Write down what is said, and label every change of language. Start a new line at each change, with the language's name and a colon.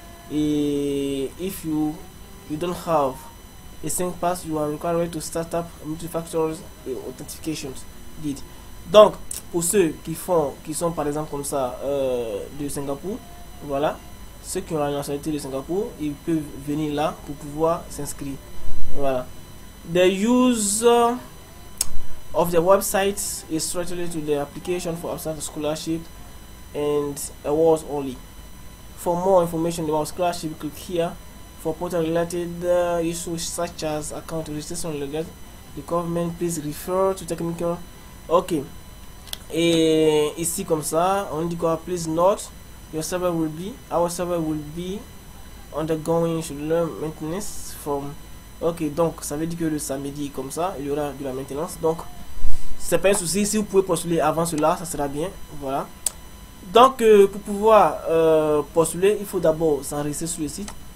French: Et
English: if you don't have a SingPass, you are required to start up multi-factor authentication deed.
French: Donc, pour ceux qui sont par exemple comme ça de Singapour, voilà, ceux qui ont la nationalité de Singapour, ils peuvent venir là pour pouvoir s'inscrire. Voilà.
English: The use of the website is strictly to the application for absence scholarship and awards only. For more information about scholarship, click here. For portal related issues such as account registration related requirement, please refer to technical. Ok.
French: Et ici comme ça, on dit quoi?
English: Please note, our server will be undergoing scheduled maintenance from.
French: Ok, donc ça veut dire que le samedi comme ça, il y aura de la maintenance. Donc, c'est pas un souci. Si vous pouvez postuler avant cela, ça sera bien. Voilà. Donc, pour pouvoir postuler, il faut d'abord s'enregistrer sur le site.